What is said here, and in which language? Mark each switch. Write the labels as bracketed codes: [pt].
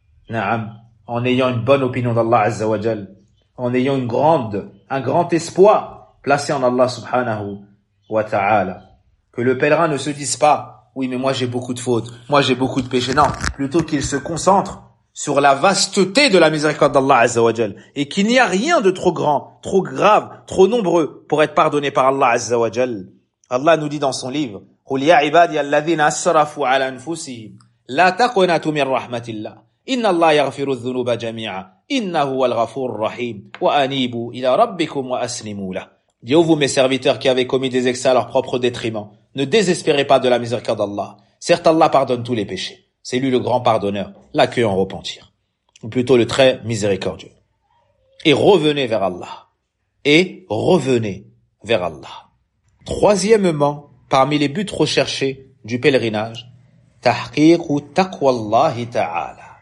[fr] Na'am, en ayant une bonne opinion d'Allah Azza wa Jal, en ayant une grande, un grand espoir placé en Allah subhanahu wa ta'ala. Que le pèlerin ne se dise pas, oui mais moi j'ai beaucoup de fautes, moi j'ai beaucoup de péchés. Non, plutôt qu'il se concentre sur la vasteté de la miséricorde d'Allah Azza wa Jal. Et qu'il n'y a rien de trop grand, trop grave, trop nombreux pour être pardonné par Allah Azza wa Jal. Allah nous dit dans son livre, [ar] قُلْ يَا عِبَادِيَ الَّذِينَ أَسْرَفُوا عَلَى أَنفُسِهِمْ لَا تَقْنَتُوا مِنْ رَحْمَةِ اللَّهِ إِنَّ اللَّهَ يَغْفِرُ الذُّنُوبَ جَمِيعًا إِنَّهُ هُوَ الْغَفُورُ الرَّحِيمُ وَأَنِيبُوا إِلَى رَبِّكُمْ وَأَسْلِمُوا لَهُ. [fr] Dieu, vous mes serviteurs qui avez commis des excès à leur propre détriment, ne désespérez pas de la miséricorde d'Allah. Certes, Allah pardonne tous les péchés. C'est lui le grand pardonneur, l'accueil en repentir. Ou plutôt le très miséricordieux. Et revenez vers Allah. Et revenez vers Allah. Troisièmement, parmi les buts recherchés du pèlerinage, tahqiq ou taqwa Allah ta'ala.